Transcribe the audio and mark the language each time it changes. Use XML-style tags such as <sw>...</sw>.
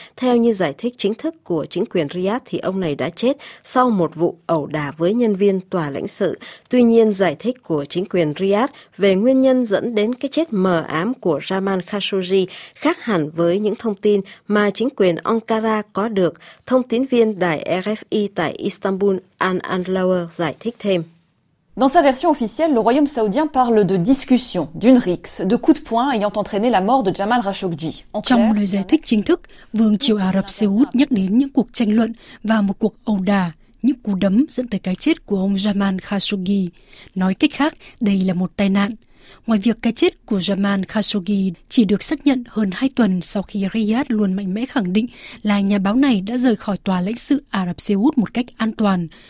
<vi>Theo như giải thích chính thức của chính quyền Riyadh thì ông này đã chết sau một vụ ẩu đả với nhân viên tòa lãnh sự. Tuy nhiên giải thích của chính quyền Riyadh về nguyên nhân dẫn đến cái chết mờ ám của Jamal Khashoggi khác hẳn với những thông tin mà chính quyền Ankara có được. Thông tín viên đài RFI tại Istanbul Al-Anlawer giải thích thêm.</vi> <fr>Dans sa version officielle, le Royaume saoudien parle de discussion, d'une rixe, de coups de poing ayant entraîné la mort de Jamal Khashoggi.</fr> <vi>Trong lời giải thích chính thức, Vương triều Ả Rập Xê Út nhắc đến những cuộc tranh luận và một cuộc ẩu đả, những cú đấm dẫn tới cái chết của ông Jamal Khashoggi. Nói cách khác, đây là một tai nạn. Ngoài việc cái chết của Jamal Khashoggi chỉ được xác nhận hơn 2 tuần sau khi Riyadh luôn mạnh mẽ khẳng định là nhà báo này đã rời khỏi tòa lãnh sự Ả Rập Xê Út một cách an toàn.</vi>